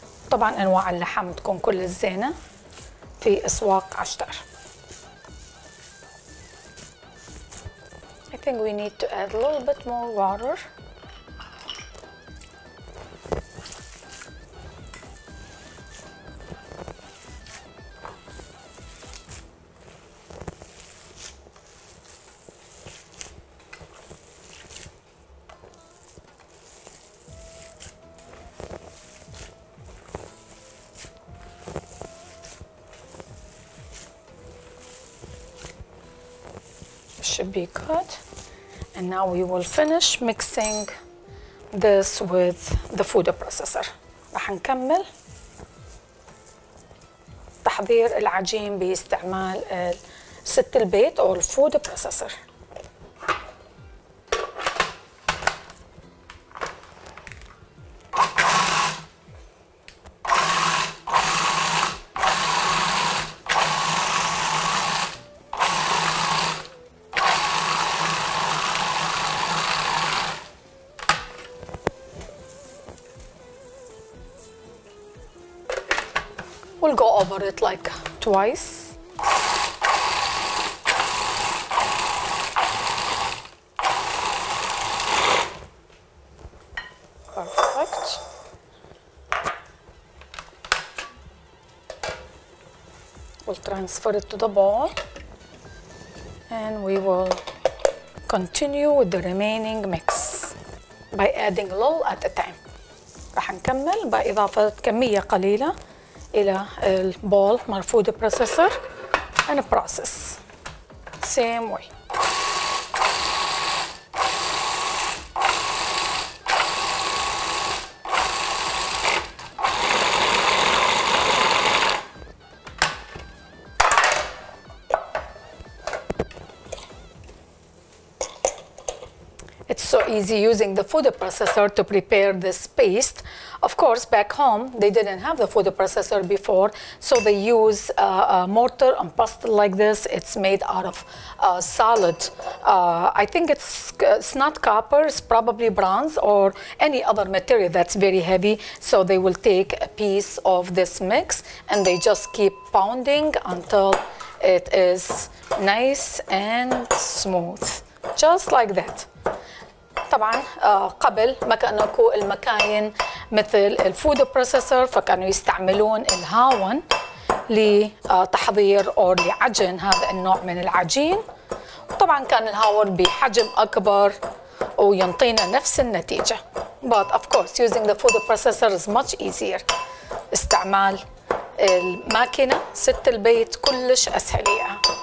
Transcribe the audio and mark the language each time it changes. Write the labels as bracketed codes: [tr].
[ar] طبعا انواع اللحم تكون كل الزينه في اسواق عشتار. [en] I think we need to add a little bit more water. Should be good, and now we will finish mixing this with the food processor. [ar] راح نكمل تحضير العجين باستعمال ست البيت أو الفود بروسيسر. [en] We'll go over it like twice. Perfect. We'll transfer it to the bowl and we will continue with the remaining mix by adding a little at a time. [ar] راح نكمل بإضافة كمية قليلة إلى البول مرفود بروسيسور [en] and process same way. It's so easy using the food processor to prepare this paste. Of course, back home, they didn't have the food processor before, so they use a mortar and pestle like this. It's made out of solid. I think it's not copper, it's probably bronze or any other material that's very heavy. So they will take a piece of this mix and they just keep pounding until it is nice and smooth, just like that. [ar] طبعا قبل ما كانوا اكو المكاين مثل الفود بروسيسور فكانوا يستعملون الهاون لتحضير او لعجن هذا النوع من العجين. طبعا كان الهاون بحجم اكبر وينطينا نفس النتيجه. [en] But of course using the food processor is much easier. [ar] استعمال الماكينه ست البيت كلش اسهل ليها.